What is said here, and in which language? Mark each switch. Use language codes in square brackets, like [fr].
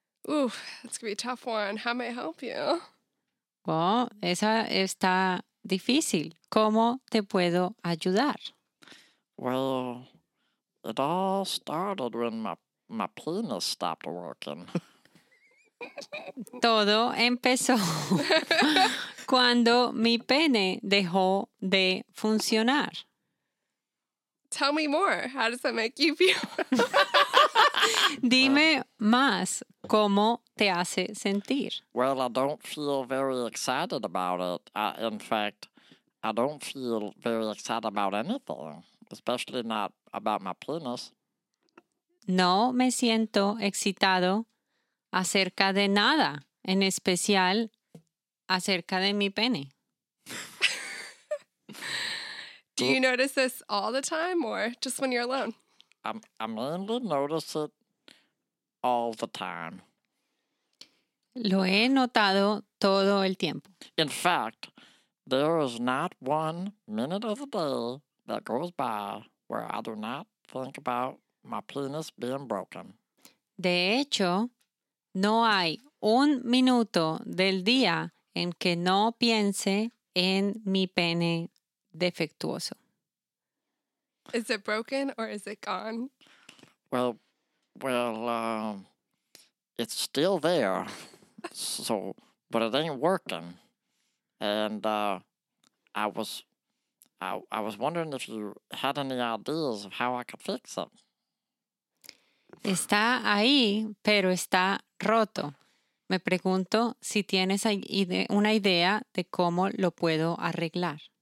[en] Ooh, that's gonna be a tough one. How may I help you? [es] Well, esa está difícil. ¿Cómo te puedo ayudar? [en] Well, it all started when my penis stopped working. [es] Todo empezó cuando mi pene dejó de funcionar. [en] Tell me more. How does that make you feel? [es] Dime más. ¿Cómo te hace sentir? [en] Well, I don't feel very excited about it. I don't feel very excited about anything. Especially not about my penis. [es] No me siento excitado acerca de nada, en especial acerca de mi pene. [en] Do you notice this all the time or just when you're alone? I'm mainly notice it all the time. [es] Lo he notado todo el tiempo. [en] In fact, there is not one minute of the day that goes by where I do not think about my penis being broken. [es] De hecho, no hay un minuto del día en que no piense en mi pene defectuoso. [en] Is it broken or is it gone? Well, it's still there, so but it ain't working. And I was wondering if you had any ideas of how I could fix it. [es] Está ahí, pero está roto. Me pregunto si tienes una idea de cómo lo puedo arreglar.